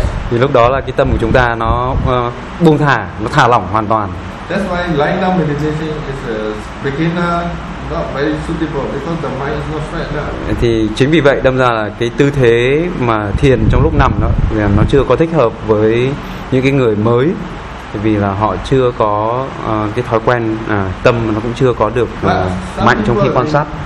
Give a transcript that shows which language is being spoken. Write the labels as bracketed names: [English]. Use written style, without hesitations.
[Vietnamese] Thì lúc đó là cái tâm của chúng ta nó buông thả, nó thả lỏng hoàn toàn. [English] That's why lying down meditation is a beginner not very suitable because the mind is not straight now. [Vietnamese] Thì chính vì vậy đâm ra là cái tư thế mà thiền trong lúc nằm nó chưa có thích hợp với những cái người mới. Vì là họ chưa có cái thói quen tâm nó cũng chưa có được mạnh trong khi quan sát.